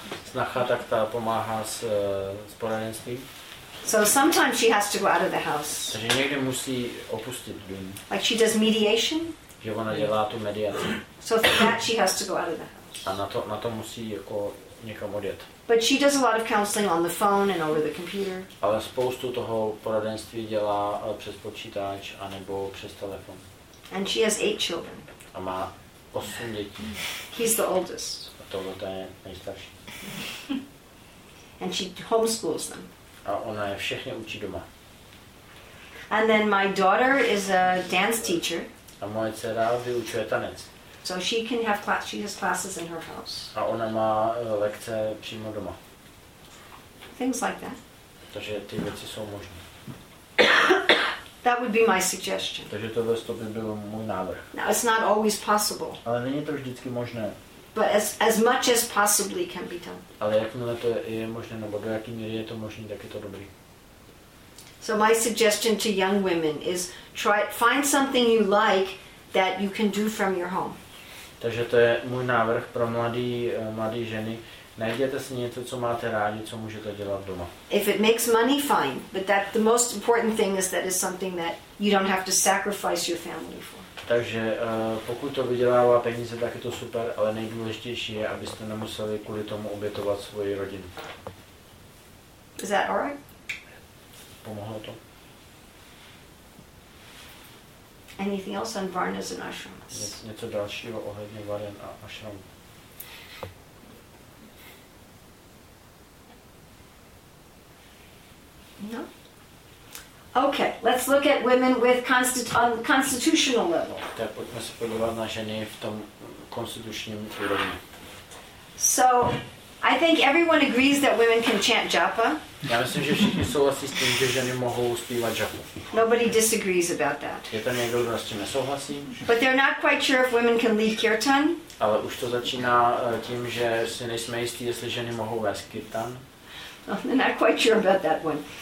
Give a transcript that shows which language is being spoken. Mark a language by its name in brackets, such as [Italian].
[Czech] Snacha, tak ta pomáhá s poradenstvím. [English] So sometimes she has to go out of the house. [Czech] Takže někdy musí opustit dům. [English] Like she does mediation. [Czech] Že ona dělá tu mediaci. [English] So for that she has to go out of the house. [Czech] A na to musí jako někam odjet. [English] But she does a lot of counseling on the phone and over the computer. [Czech] Ale spoustu toho poradenství dělá přes počítač a nebo přes telefon. [English] And she has 8 children. [Czech] A má 8 dětí. [English] He's the oldest. [Czech] A tohle je nejstarší. [English] And she homeschools them. [Czech] A ona je všechny učí doma. [English] And then my daughter is a dance teacher. [Czech] A moje dcera vyučuje tanec. [English] So she can have class. She has classes in her house. [Czech] A ona má lekce přímo doma. [English] Things like that. [Czech] Takže ty věci jsou možné. [English] That would be my suggestion. [Czech] Takže to by byl můj návrh. [English] Now, it's not always possible. [Czech] Ale není to vždycky možné. [English] But as much as possibly can be done. [Czech] Ale jakmile to je možné, nebo do jaké míry je to možné, tak je to dobrý. [English] So my suggestion to young women is find something you like that you can do from your home. [Czech] Takže to je můj návrh pro mladé ženy. Najděte si něco, co máte rádi, co můžete dělat doma. [English] If it makes money, fine, but that the most important thing is that it's something that you don't have to sacrifice your family for. [Czech] Takže pokud to vydělává peníze, tak je to super, ale nejdůležitější je, abyste nemuseli kvůli tomu obětovat svoji rodinu. [English] Is that all right? [Czech] Pomohlo to? [English] Anything else on varnas and ashrams? [Czech] Něco dalšího ohledně varen a ashram. [English] No. Okay, let's look at women with on constitutional level. [Czech] Tak pojďme se podívat na ženy v tom konstitučním úrovni. [English] So, I think everyone agrees that women can chant japa. [Czech] Já myslím, že všichni souhlasí s tím, že ženy mohou zpívat japu. [English] Nobody disagrees about that. [Czech] Je to někdo, kdo s tím nesouhlasí? [English] But they're not quite sure if women can lead kirtan. [Czech] Ale už to začíná tím, že si nejsme jistí, jestli ženy mohou vést kirtan. [English] No, they're not quite sure about that one.